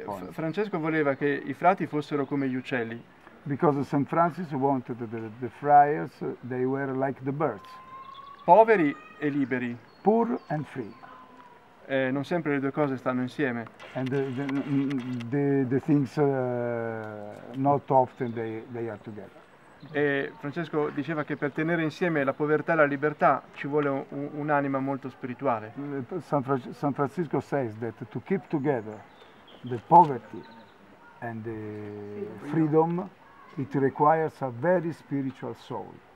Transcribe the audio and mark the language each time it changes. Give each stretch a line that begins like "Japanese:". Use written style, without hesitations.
Italian: Francesco voleva che i frati fossero come gli uccelli.
English: Because Saint Francis wanted the friars, they were like the birds.
Italian: Poveri e liberi.
English: Poor and free.
Italian: Non sempre le due cose stanno insieme.
English: And the things not often they are together.
Italian: E Francesco diceva che per tenere insieme la povertà e la libertà ci vuole un'anima molto spirituale.
English: San Francisco says that to keep together the poverty and the freedom, it requires a very spiritual soul.